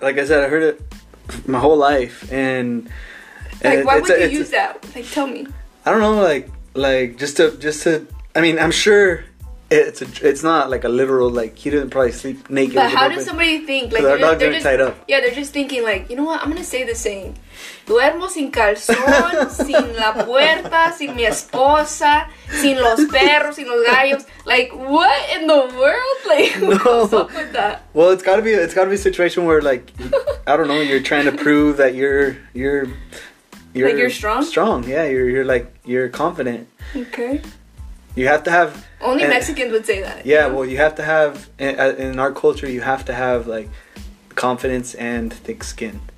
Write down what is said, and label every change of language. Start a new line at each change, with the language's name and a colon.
English: Like I said, I heard it my whole life, and like, why would you use that? Like, tell me. I don't know. Like, just to. I mean, I'm sure. It's not like a literal, like, he didn't probably sleep naked. But how does somebody think? Like, they're just tied up. Yeah, they're just thinking, like, you know what? I'm going to say the same.
Spanish: Duermo sin calzón, sin la puerta, sin mi esposa, sin los perros, sin los gallos.
English: Like, what in the world? Like, no. What's up with that? Well, it's gotta be a situation where, like, I don't know, you're trying to prove that you're like, you're strong? Strong, yeah. You're like, you're confident. Okay. You have to have... Only Mexicans would say that. Yeah, you know? Well, you have to have... In our culture, you have to have, like, confidence and thick skin.